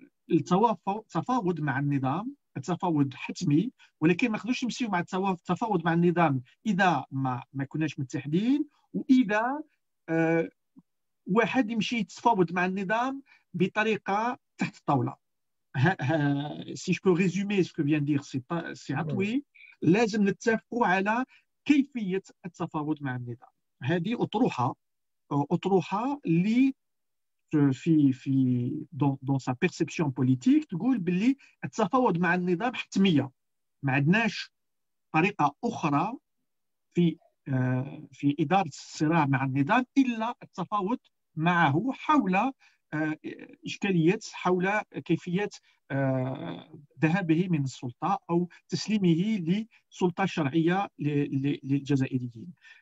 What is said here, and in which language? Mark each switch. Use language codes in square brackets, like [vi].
[ar] التفاوض مع النظام، التفاوض حتمي، ولكن ما نقدروش نمشيو مع التفاوض مع النظام إذا ما كناش متحدين، وإذا واحد يمشي يتفاوض مع النظام بطريقة تحت الطاولة. [fr] Si je peux résumer ce que vient de dire c'est Atoui, [ar] لازم نتفقوا على كيفية التفاوض مع النظام. هذه أطروحة اللي في [fr] dans sa perception politique [ar] تقول باللي التفاوض مع النظام حتمية، ما عندناش طريقة أخرى في إدارة الصراع مع النظام إلا التفاوض معه حول إشكاليات، حول كيفية ذهابه من السلطة أو تسليمه لسلطة شرعية للجزائريين.